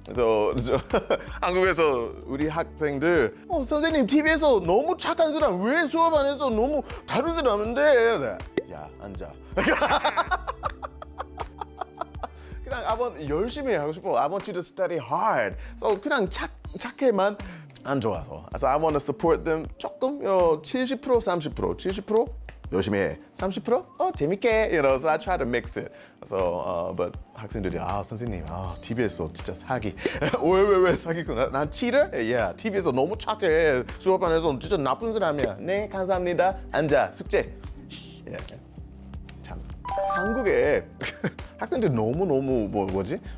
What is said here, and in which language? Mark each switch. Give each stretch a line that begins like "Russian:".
Korean: 그래서 한국에서 우리 학생들 선생님 TV에서 너무 착한 사람 왜 수업 안에서 너무 다른 사람인데? 야 앉아. 그냥
English: I want
Korean: 열심히 하고 싶어.
English: I want you to study hard. So
Korean: 그냥 착해만 안 좋아서.
English: So I want to support them
Korean: 조금
English: 70% 30% 70%.
Korean: 열심히 해. 30%? 재밌게.
English: You know, so I try to mix it. So, but
Korean: 학생들이 선생님, TV에서 진짜 사기. 왜 사기꾼? 난 치를?
English: Yeah,
Korean: TV에서 너무 착해. 수업 안에서 진짜 나쁜 사람이야. 네, 감사합니다. 앉아, 숙제.
English: Yeah.
Korean: 참, 한국에 학생들 너무 뭐지?